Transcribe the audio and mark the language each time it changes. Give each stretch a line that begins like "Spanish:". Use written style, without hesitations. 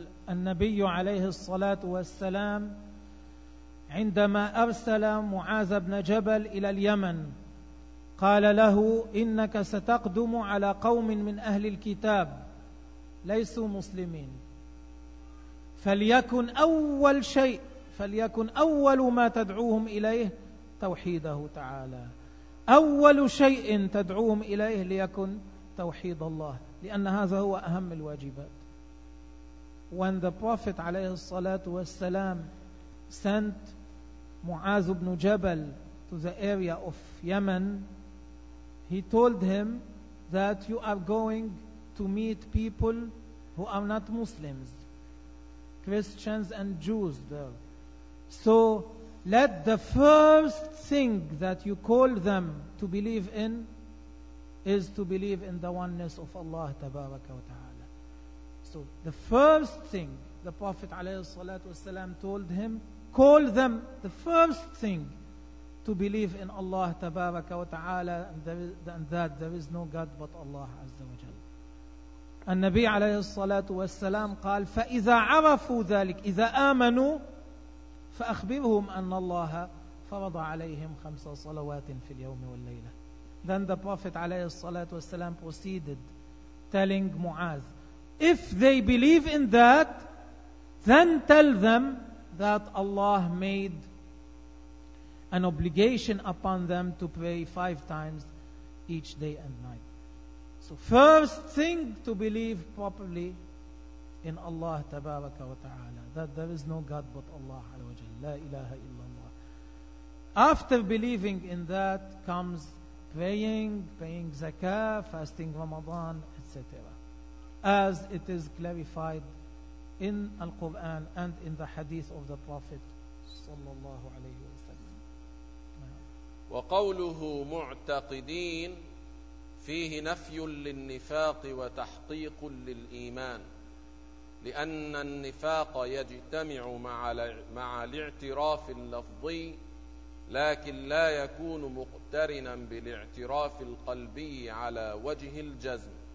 Arabic: النبي عليه الصلاة والسلام عندما أرسل معاذ بن جبل إلى اليمن قال له إنك ستقدم على قوم من أهل الكتاب ليسوا مسلمين, فليكن أول شيء, فليكن أول ما تدعوهم إليه توحيده تعالى. أول شيء تدعوهم إليه ليكن توحيد الله, لأن هذا هو أهم الواجبات.
English: When the Prophet
Arabic: عليه الصلاة والسلام
English: sent معاذ بن جبل to the area of Yemen, he told him that you are going to meet people who are not Muslims, Christians and Jews there. So let the first thing that you call them to believe in is to believe in the oneness of Allah tabaraka wa ta'ala. So the first thing the Prophet alayhi salatu wasalam told him, call them, the first thing, to believe in Allah tabaraka wa ta'ala, and that there is no God but Allah azza wa jalla.
Arabic: النبي عليه الصلاة والسلام قال فإذا عرفوا ذلك, إذا آمنوا فأخبرهم أن الله فرض عليهم خمس صلوات في اليوم والليلة.
English: Then the Prophet
Arabic: عليه الصلاة والسلام
English: proceeded telling Muaz, if they believe in that, then tell them that Allah made an obligation upon them to pray five times each day and night. So first thing to believe properly in Allah tabaraka wa ta'ala, that there is no God but Allah azza wa jalla, la ilaha illallah. After believing in that comes praying, paying zakah, fasting Ramadan, etc. As it is clarified in Al-Quran and in the hadith of the Prophet sallallahu alayhi wa sallam.
Arabic: وَقَوْلُهُ مُعْتَقِدِينَ فيه نفي للنفاق وتحقيق للإيمان, لأن النفاق يجتمع مع الاعتراف اللفظي لكن لا يكون مقترنا بالاعتراف القلبي على وجه الجزم.